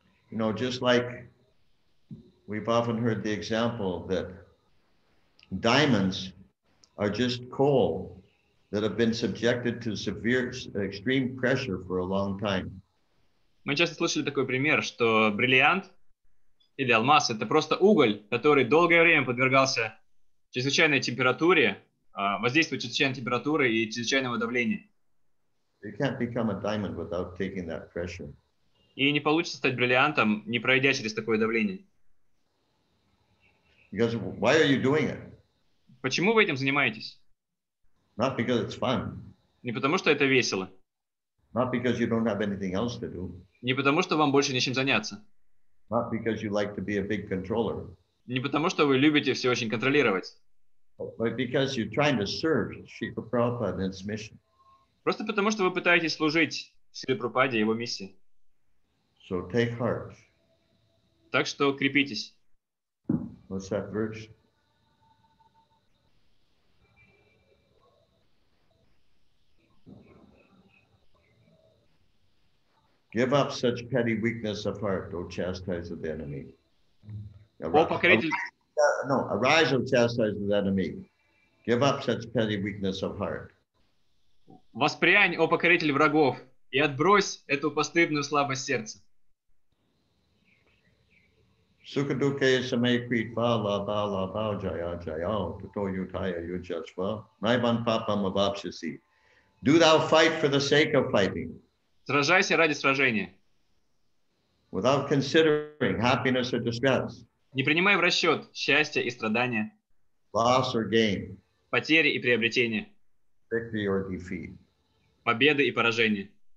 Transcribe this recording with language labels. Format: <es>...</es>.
<en>You know, just like we've often heard the example that diamonds are just coal that have been subjected to severe, extreme pressure for a long time.</en> <ru>Мы часто слышали такой пример, что бриллиант или алмаз — это просто уголь, который долгое время подвергался чрезвычайной температуре, воздействию чрезвычайной температуры и чрезвычайного давления.</ru> <en>You can't become a diamond without taking that pressure.</en> <ru>И не получится стать бриллиантом, не пройдя через такое давление.</ru> <en>Because why are you doing it?</en> <ru>Почему вы этим занимаетесь?</ru> <en>Not because it's fun.</en> <ru>Не потому, что это весело.</ru> <en>Not because you don't have anything else to do.</en> <ru>Не потому, что вам больше нечем заняться.</ru> <en>Not because you like to be a big controller.</en> <ru>Не потому, что вы любите все очень контролировать.</ru> <en>But because you're trying to serve Srila Prabhupada and his mission.</en> <ru>Просто потому, что вы пытаетесь служить Шриле Прабхупаде и его миссии.</ru> <en>So take heart.</en> <ru>Так что укрепитесь.</ru> <en>What's that verse? Give up such petty weakness of heart, O chastise of the enemy. Arise, O chastise of the enemy. Give up such petty weakness of heart.</en> <ru>Воспрянь, о покоритель врагов, и отбрось эту постыдную слабость сердца.</ru> <sa>Sukaduke samekrit bala bala bao jaya jaya tuto yutaya yujasva naivan papa mavapshasi.</sa> <en>Do thou fight for the sake of fighting.</en> <ru>Сражайся ради сражения.</ru> <en>Without considering happiness or distress.</en> <ru>Не принимай в расчет счастье и страдания.</ru> <en>Loss or gain.</en> <ru>Потери и приобретения.</ru> <en>Victory or defeat.</en> <ru>Победы и поражения.</ru>